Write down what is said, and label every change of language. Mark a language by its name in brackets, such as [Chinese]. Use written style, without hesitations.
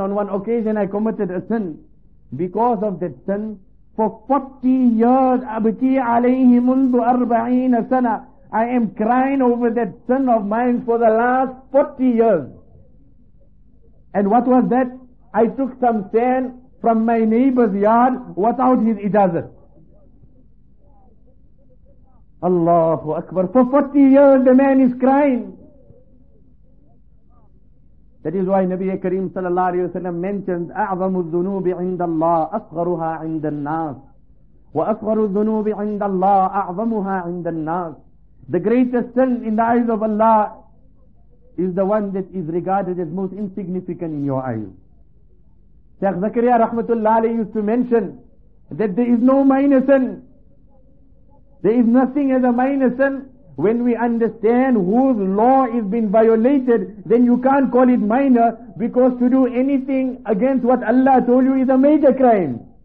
[English] On one occasion I committed a sin. Because of that sin, for 40 years, [Arabic] أَبْكِي عَلَيْهِ مُنْذُ أَرْبَعِينَ سَنَةً. [English] I am crying over that sin of mine for the last 40 years. And what was that? I took some sand from my neighbor's yard without his ijazat. Allahu Akbar. For 40 years the man is crying. That is why Nabi Kareem sallallahu alayhi wa sallam mentions, [Arabic] أَعْظَمُ الذُّنُوبِ عِنْدَ اللَّهِ أَصْغَرُهَا عِنْدَ النَّاسِ وَأَصْغَرُ الذُّنُوبِ عِنْدَ اللَّهِ أَعْظَمُهَا عِنْدَ النَّاسِ. [English] The greatest sin in the eyes of Allah is the one that is regarded as most insignificant in your eyes. Shaykh Zakariya rahmatullah alayhi used to mention that there is no minor sin. There is nothing as a minor sin. When we understand whose law is being violated, then you can't call it minor, because to do anything against what Allah told you is a major crime.